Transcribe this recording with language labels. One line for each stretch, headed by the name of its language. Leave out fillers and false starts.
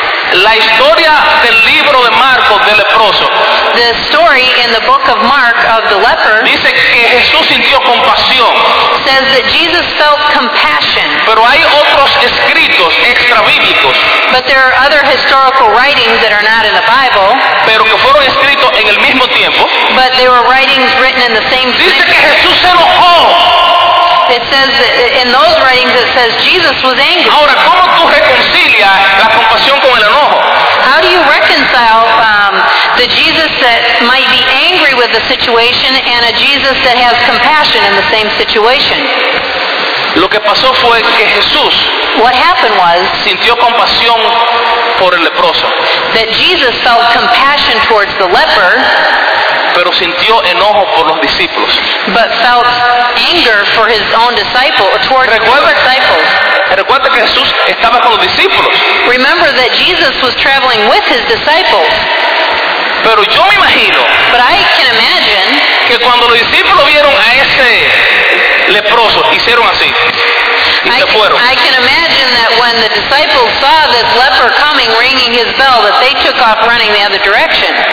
Spanish: La historia del libro de Marcos del leproso.
English: The story in the book of Mark of the leper.
Spanish: Dice que Jesús sintió compasión.
English: Says that Jesus felt compassion.
Spanish: Pero hay otros escritos extrabíblicos.
English: But there are other historical writings that are not in the Bible.
Spanish: Pero que fueron escritos en el mismo tiempo.
English: But there were writings written in the same time.
Spanish: Dice que Jesús se enojó.
English: It says in those writings, it says Jesus was angry.
Spanish: Ahora, ¿cómo tú reconcilias la compasión con el enojo?
English: How do you reconcile the Jesus that might be angry with the situation and a Jesus that has compassion in the same situation?
Spanish: Lo que pasó fue que Jesús,
English: what happened was,
Spanish: sintió compasión por el leproso.
English: That Jesus felt compassion towards the leper,
Spanish: pero sintió enojo por los discípulos.
English: But felt anger for his own disciple, towards his disciples.
Spanish: Recuerda que Jesús estaba con los discípulos.
English: Remember that Jesus was traveling with his disciples.
Spanish: Pero yo me imagino,
English: but I can imagine,
Spanish: que cuando los discípulos vieron a ese leproso, hicieron así.
English: I can imagine that when the disciples saw this leper coming, ringing his bell, that they took off running the other direction.